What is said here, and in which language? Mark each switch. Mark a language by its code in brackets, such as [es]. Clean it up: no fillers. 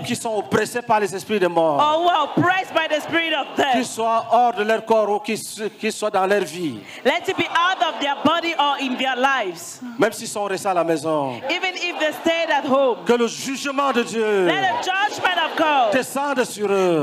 [fr] ou qui sont oppressés par les esprits de mort, [en] death, [fr] qui soient hors de leur corps ou qui soient dans leur vie, [en] let it be out of their body or in their lives, [fr] même s'ils sont restés à la maison, [en] even if they stayed at home, [fr] que le jugement de Dieu descende sur eux,